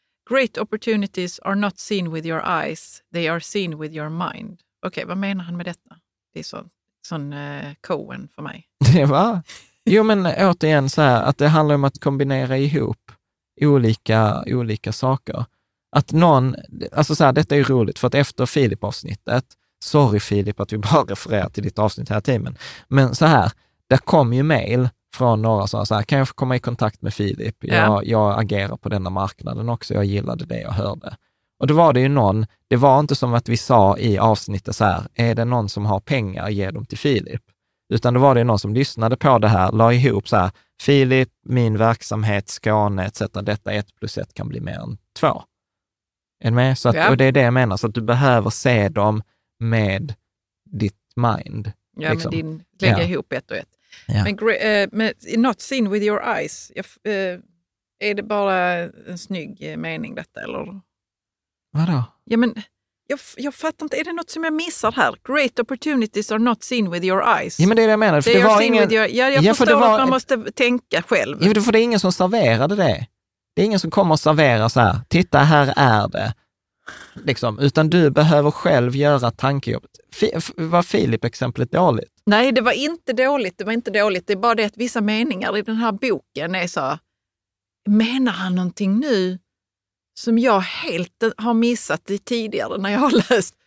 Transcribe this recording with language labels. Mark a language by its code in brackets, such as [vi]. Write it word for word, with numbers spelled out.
[en] Great opportunities are not seen with your eyes, they are seen with your mind. [sv] Okej, okay, vad menar han med detta? Det är sån, sån uh, Cohen för mig. Det var. Jo, men återigen så här, att det handlar om att kombinera ihop olika, olika saker. Att någon, alltså så här, detta är ju roligt för att efter Filip-avsnittet, sorry Filip att vi bara refererar till ditt avsnitt här timmen, men så här, där kom ju mail från några som sa så här, kan jag få komma i kontakt med Filip? Jag, ja. jag agerar på denna marknaden också, jag gillade det jag hörde. Och då var det ju någon, det var inte som att vi sa i avsnittet så här, är det någon som har pengar, ge dem till Filip. Utan då var det någon som lyssnade på det här, la ihop så här, Filip, min verksamhet, Skåne et cetera. Detta ett plus ett kan bli mer än två. Är du med? Så att, ja. Och det är det jag menar, så att du behöver se dem med ditt mind. Ja, liksom. Med din, lägga ja. ihop ett och ett. Ja. Men uh, med, [en] not seen with your eyes. [sv] Jag, uh, är det bara en snygg mening detta, eller? Vadå? Ja, men jag, jag fattar inte. Är det något som jag missar här? [en] Great opportunities are not seen with your eyes. [sv] Ja, men det är det jag menar. För det var ingen... your... ja, jag ja, förstår för det var... att man måste tänka själv. Ja, för det är ingen som serverade det. Det är ingen som kommer och serverar så här. Titta, här är det. Liksom, utan du behöver själv göra tankejobbet. F- var Filip-exemplet dåligt? Nej, det var inte dåligt. Det var inte dåligt. Det är bara det att vissa meningar i den här boken är så, menar han någonting nu som jag helt har missat i tidigare när jag har läst?